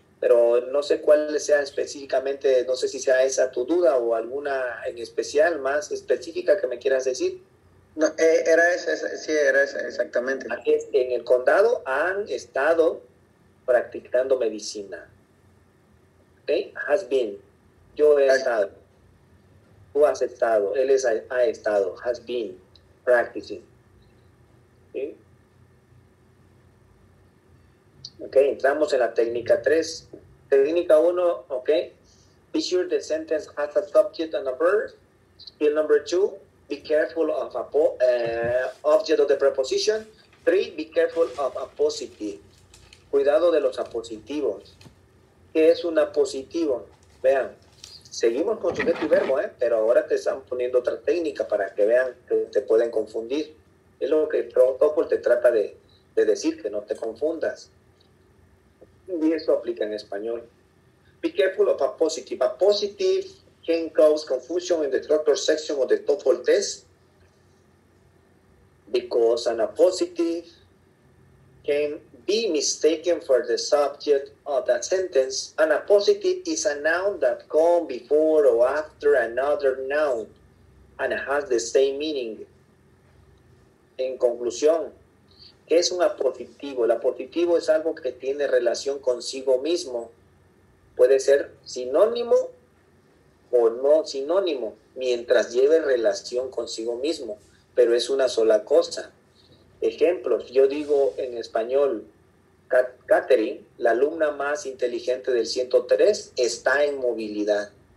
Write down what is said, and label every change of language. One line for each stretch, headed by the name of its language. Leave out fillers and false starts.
Spanish: Pero no sé cuál sea específicamente, no sé si sea esa tu duda o alguna en especial, más específica que me quieras decir. No, era esa, sí, era esa, exactamente. Aquí en el condado han estado practicando medicina. ¿Okay?
English: Has been,
Spanish: yo he estado. Tú has estado, él es, ha estado,
English: has been practicing.
Spanish: ¿Sí? Ok, entramos en la técnica 3. Técnica 1, ok.
English: Be sure the sentence has a subject and a verb. Skill number 2, be careful of a object of the preposition. 3, be careful of a positive.
Spanish: Cuidado de los apositivos. ¿Qué es un apositivo? Vean, seguimos con sujeto y verbo, pero ahora te están poniendo otra técnica para que vean que te pueden confundir. Es lo que Topol te trata de decir, que no te confundas. Y eso aplica en español.
English: Be careful of a positive. A positive can cause confusion in the structure section of the TOEFL test. Because an appositive can be mistaken for the subject of that sentence. An appositive is a noun that comes before or after another noun and has the same meaning.
Spanish: En conclusión, ¿qué es un apositivo? El apositivo es algo que tiene relación consigo mismo. Puede ser sinónimo o no sinónimo, mientras lleve relación consigo mismo, pero es una sola cosa. Ejemplos, yo digo en español, Katherine, la alumna más inteligente del 103, está en movilidad.